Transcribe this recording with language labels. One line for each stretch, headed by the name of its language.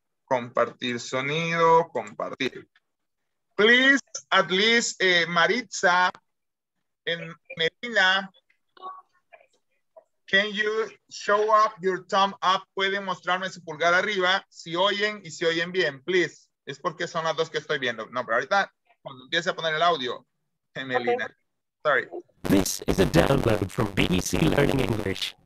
Spanish: Compartir sonido, compartir.
English: Please, at least Maritza and Medina, can you show up your thumb up?
Spanish: Pueden mostrarme su pulgar arriba, si oyen y si oyen bien, please. Es porque son las dos que estoy viendo. No, pero ahorita, cuando empiece a poner el audio, Medina.
English: Okay. Sorry. This is a download from BBC Learning English.